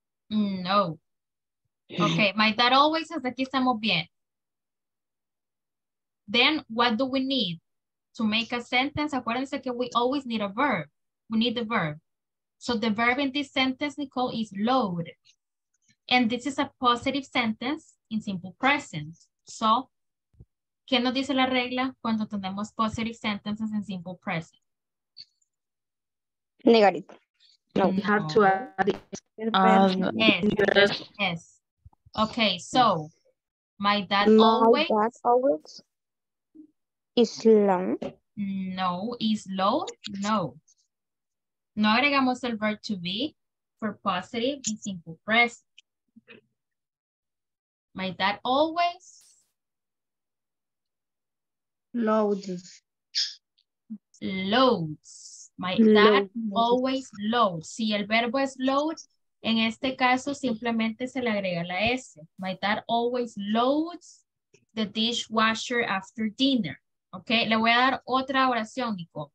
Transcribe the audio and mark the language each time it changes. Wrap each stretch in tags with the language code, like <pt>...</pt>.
<en>No. Okay, my dad always says,</en> <es>aquí estamos bien.</es> <en>Then, what do we need to make a sentence?</en> <es>Acuérdense que</es> <en>we always need a verb. We need the verb. So the verb in this sentence, Nicole, is load. And this is a positive sentence in simple present.</en> <es>So, ¿qué nos dice la regla cuando tenemos</es> <en>positive sentences in simple present? Negative. No, we have to add the verb. Yes. Okay, so my dad always is long. No, is low. No.</en> <es>No agregamos el</es> <en>verb to be for positive in simple present. My dad always loads. Loads. My dad always loads.</en> <es>Si el verbo es load, en este caso simplemente se le agrega la S.</es> <en>My dad always loads the dishwasher after dinner. Okay,</en> <es>le voy a dar otra oración, Nico.</es>